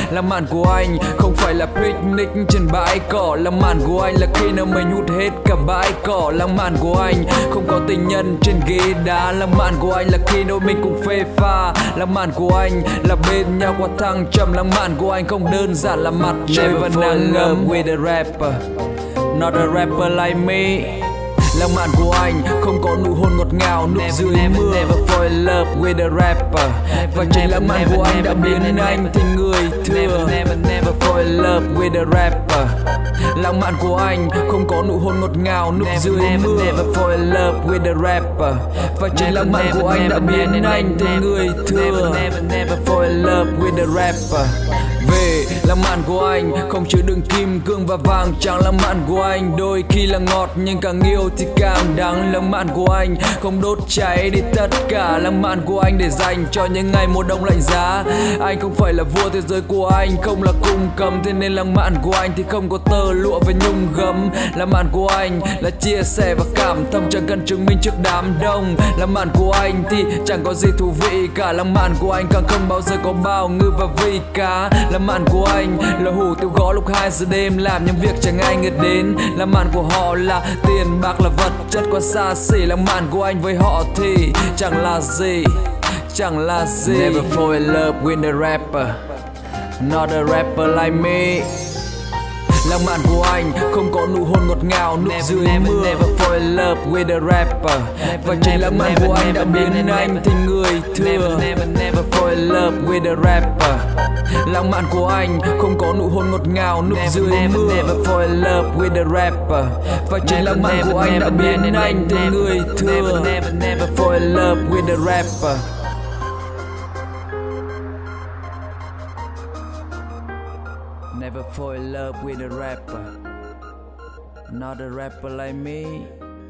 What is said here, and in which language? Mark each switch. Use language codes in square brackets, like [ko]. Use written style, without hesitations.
[vi] Lãng mạn của anh không phải là picnic trên bãi cỏ. Lãng mạn của anh là khi nào mình hút hết cả bãi cỏ. Lãng mạn của anh không có tình nhân trên ghế đá. Lãng mạn của anh là khi đôi mình cũng phê pha. Lãng mạn của anh là bên nhau qua thăng trầm. Lãng mạn của anh không đơn giản là mặt trời và nắng ấm. [en] With a rapper, not a rapper like me. [vi] Lãng mạn của anh không có nụ hôn ngọt ngào nụ dưới mưa. [en] Never fall in love with a rapper. [vi] Và chính lãng mạn của anh đã biến anh thành người thừa. [en] Never fall in love with a rapper. [vi] Lãng mạn của anh không có nụ hôn ngọt ngào nụ dưới mưa. [en] Never fall in love with a rapper. [vi] Và chính lãng mạn của anh đã biến anh thành người thừa. [en] Never fall in love with a rapper. [vi] Về lãng mạn của anh không chứa đựng kim cương và vàng trắng. Lãng mạn của anh đôi khi là ngọt nhưng càng yêu thì càng đắng. Lãng mạn của anh không đốt cháy đi tất cả. Lãng mạn của anh để dành cho những ngày mùa đông lạnh giá. Anh không phải là vua thế giới của anh, không là cung cấm. Thế nên lãng mạn của anh thì không có tơ lụa và nhung gấm. Lãng mạn của anh là chia sẻ và cảm thông, chẳng cần chứng minh trước đám đông. Lãng mạn của anh thì chẳng có gì thú vị cả. Lãng mạn của anh càng không bao giờ có bao ngư và vị cá. Lãng mạn của anh là hủ tiếu gõ lúc 2 giờ đêm, làm những việc chẳng ai nghĩ đến. Lãng mạn của họ là tiền bạc, là vật chất quá xa xỉ. Lãng mạn của anh với họ thì chẳng là gì, chẳng là gì. [en] Never fall in love with a rapper, not a rapper like me. [vi] Lãng mạn của anh không có nụ hôn ngọt ngào nụ dưới mưa. [en] Never fall in love with a rapper. [vi] Và chính lãng mạn của anh đã biến anh thành người thừa. [en] Never fall in love with a rapper. [vi] Lãng mạn của anh không có nụ hôn ngọt ngào nụ dưới mưa. [en] Never fall in love with a rapper. [vi] Và chính lãng mạn của anh đã biến anh thành người thừa. [en] Never fall in love with a rapper. Never fall in love with a rapper. Not a rapper like me.